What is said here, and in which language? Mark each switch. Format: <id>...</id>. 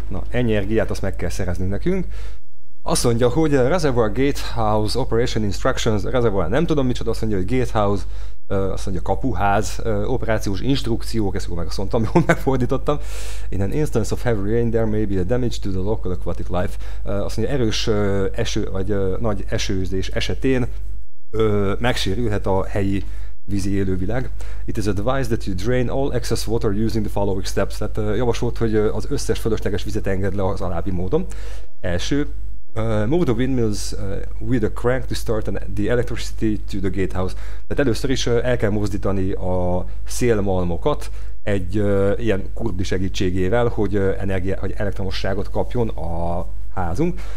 <hu>Na, energiát azt meg kell szerezni nekünk. Azt mondja, hogy a Reservoir Gatehouse Operation Instructions, Reservoir nem tudom micsoda, azt mondja, hogy Gatehouse, azt mondja kapuház, operációs instrukciók, ezt meg azt mondtam, jól megfordítottam.</hu> <en>In an instance of heavy rain, there may be a damage to the local aquatic life.</en> <hu>Azt mondja, erős eső, vagy nagy esőzés esetén megsérülhet a helyi vízi élővilág.</hu> <en>It is advised that you drain all excess water using the following steps.</en> <hu>Tehát javasolt, hogy az összes fölösleges vizet engedd le az alábbi módon. Első,</hu> <en>move the windmills with a crank to start the electricity to the gatehouse.</en> <hu>Tehát először is el kell mozdítani a szélmalmokat egy ilyen kurdi segítségével, hogy energiát, hogy elektromosságot kapjon a házunk.</hu>